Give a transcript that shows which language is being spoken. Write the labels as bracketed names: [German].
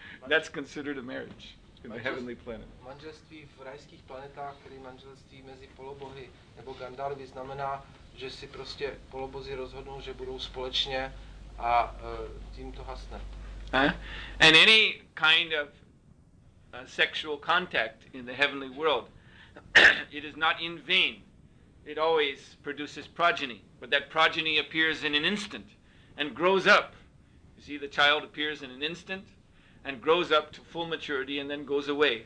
[English] That's considered a marriage in the heavenly planet. [Czech] Manželství v rajských planetách, kdy manželství mezi polobohy nebo Gandharvy, znamená, že si prostě polobozy rozhodnou, že budou společně, a tím to hasne. [English] And any kind of sexual contact in the heavenly world, it is not in vain. It always produces progeny, but that progeny appears in an instant and grows up. You see, the child appears in an instant and grows up to full maturity and then goes away.